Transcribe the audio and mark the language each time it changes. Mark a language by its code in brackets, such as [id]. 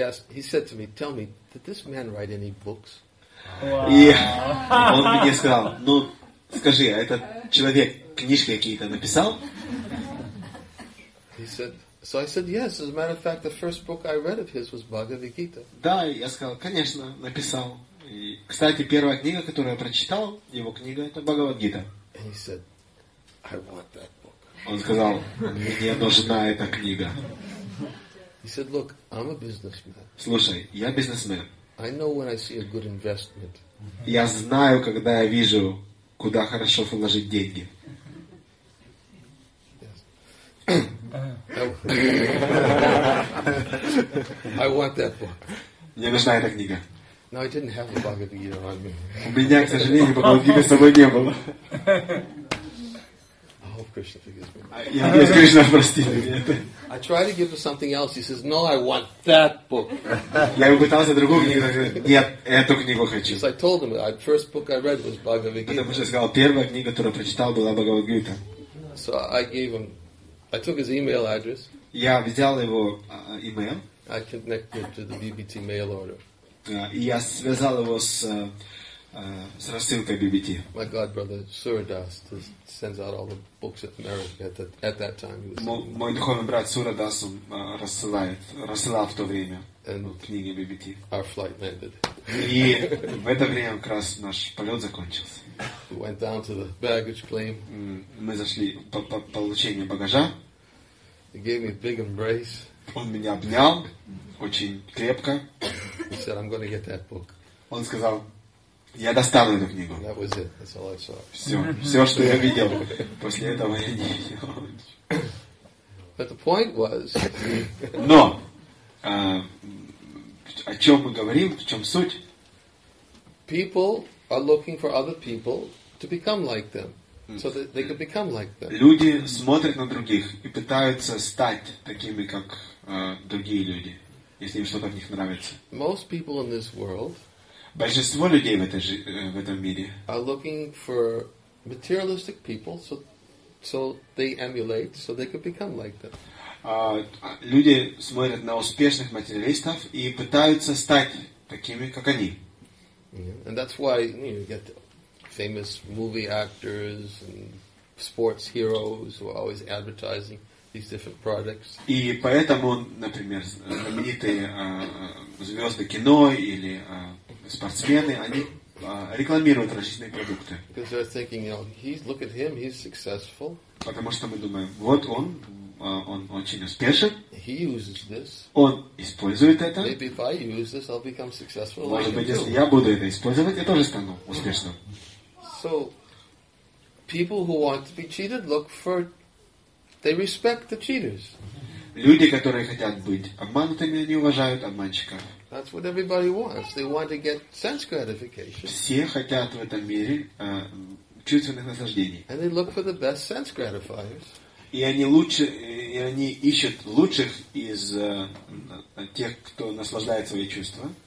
[en] he said to me, did this man write any books? [ru] Wow. И он мне сказал, ну, скажи, а этот человек книжки какие-то написал? [en] He said, so I said, yes, as a matter of fact, the first book I read of his was Bhagavad Gita. [ru] Да, я сказал, конечно, написал. И, кстати, первая книга, которую я прочитал, его книга, это Бхагавад Гита. [en] And he said, I want that book. [ru] Он сказал, мне нужна эта книга. [en] He said, look, I'm a businessman. [ru] Слушай, я бизнесмен. [en] I know when I see a good investment. [ru] Я знаю, когда я вижу, куда хорошо вложить деньги. [en] I want that book. [ru] Мне нужна эта книга. [en] No, I didn't have the Bhagavad Gita on me. [ru] У меня, к сожалению, Bhagavad Gita с собой не было. [en] I hope Krishna forgives me. [ru] Я надеюсь, Кришна простит меня. [en] I try to give him something else. He says, "No, I want that book." [ru] Я ему пытался другую книгу. Нет, эту книгу хочу. [en] Because I told him, the first book I read was Bhagavad Gita. [ru] Потому что я сказал, первая книга, которую прочитал, была Bhagavad Gita. [en] So I gave him. I took his email address. [ru] Я взял его email. [en] I connected him to the BBT mail order. [ru] Я связал его с рассылкой BBT. [en] My godbrother Suradas sends out all the books at America at that time. [ru] Мой духовный брат Сурадас рассылал в то время книги BBT. [en] Our flight landed. [ru] И в это время как раз наш полет закончился. [en] We went down to the baggage claim. [ru] Мы зашли по получению багажа. [en] He gave me a big embrace. [ru] Он меня обнял очень крепко. [en] He said, "I'm going to get that book." [ru] Он сказал, я достану эту книгу. [en] That was it. That's all I saw. [ru] Все, что я видел после этого я не видел. [en] But the point was. [ru] Но о чем мы говорим, в чем суть? [en] People are looking for other people to become like them, so that they can become like them. [ru] Люди смотрят на других и пытаются стать такими, как другие люди, если им что-то в них нравится. [en] Most people in this world, [ru] большинство людей в этом мире, [en] are looking for materialistic people, so they emulate, so they can become like them. [ru] Люди смотрят на успешных материалистов и пытаются стать такими, как они. [en] And that's why you get famous movie actors and sports heroes who are always advertising these different products. [ru] И поэтому, например, знаменитые звезды кино или спортсмены, они рекламируют различные продукты. [en] Because they're thinking, you know, he's look at him, he's successful. [ru] Потому что мы думаем, вот он очень успешен. [en] He uses this. [ru] Он использует это. [en] Maybe if I use this, I'll become successful. [ru] Может быть, если я буду это использовать, я тоже стану успешным. [en] So, people who want to be cheated look for, they respect the cheaters. [ru] Люди, которые хотят быть обманутыми, они уважают обманщиков. [en] That's what everybody wants. They want to get sense gratification. [ru] Все хотят в этом мире чувственных наслаждений. [en] And they look for the best sense gratifiers. [ru] И они лучше, и они ищут лучших из тех, кто наслаждает свои чувства.